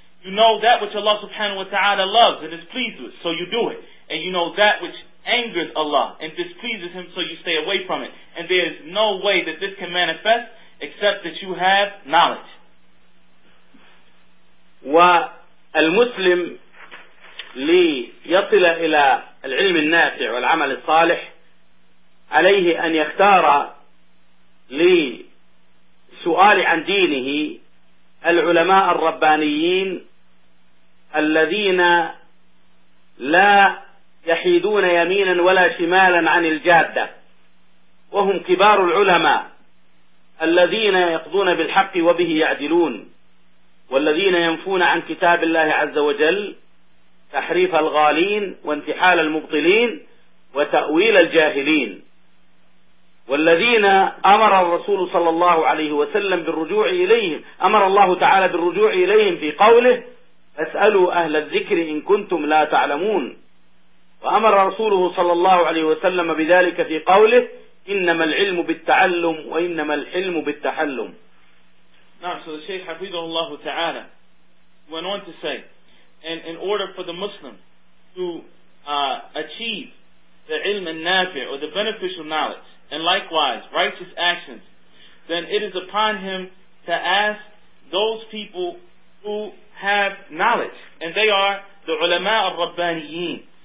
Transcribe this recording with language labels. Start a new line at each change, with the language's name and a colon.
English: You know that which Allah subhanahu wa ta'ala loves and is pleased with, so you do it. And you know that which angers Allah and displeases Him, so you stay away from it. And there is no way that this can manifest except that you have knowledge.
Arabic: وَالْمُسْلِمْ ليصل إلى العلم النافع والعمل الصالح عليه أن يختار لسؤال عن دينه العلماء الربانيين الذين لا يحيدون يمينا ولا شمالا عن الجادة، وهم كبار العلماء الذين يقضون بالحق وبه يعدلون، والذين ينفون عن كتاب الله عز وجل تحريف الغالين وانتحال المبطلين وتأويل الجاهلين، والذين أمر الرسول صلى الله عليه وسلم بالرجوع إليهم، أمر الله تعالى بالرجوع إليهم في قوله اسألوا أهل الذكر إن كنتم لا تعلمون، وأمر رسوله صلى الله عليه وسلم بذلك في قوله إنما العلم بالتعلم وإنما العلم بالتحلم.
English: Now, so the Shaykh Hafidhahu Allah Ta'ala went on to say, and in order for the Muslim to achieve the ilm al-nafi' or the beneficial knowledge, and likewise righteous actions, then it is upon him to ask those people who have knowledge, and they are the ulama al-rabbaniyin.